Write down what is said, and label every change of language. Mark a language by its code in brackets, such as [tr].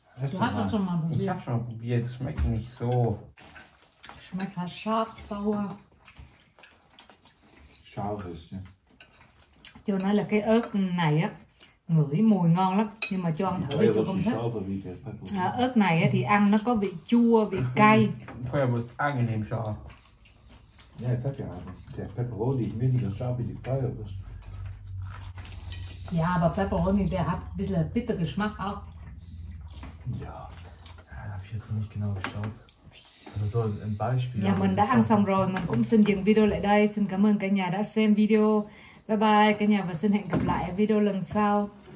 [de] Du hast das schon mal probiert. Ich habe schon mal probiert, es schmeckt nicht so. Schmeckt halt scharf, sauer. Scharf ist, ja. [vi] Cho nói là cái ớt này á, ngửi mùi ngon lắm, nhưng mà cho ăn thử thì cho không thích. Ớt này á, thì ăn nó có vị chua, vị cay. [de] Vorher muss angenehm scharf. Ja, das ja, der Pepperoni ist weniger scharf wie die Feuerwurst. Ja, aber Pepperoni, der hat ein bisschen bitter Geschmack auch. Ja, da habe ich jetzt noch nicht genau geschaut. Also so ein Beispiel. [vi] Ja, man da ăn xong rồi, man cũng xin dừng video lại đây. Xin cảm ơn cả nhà đã xem video. Bye bye cả nhà và xin hẹn gặp lại video lần sau.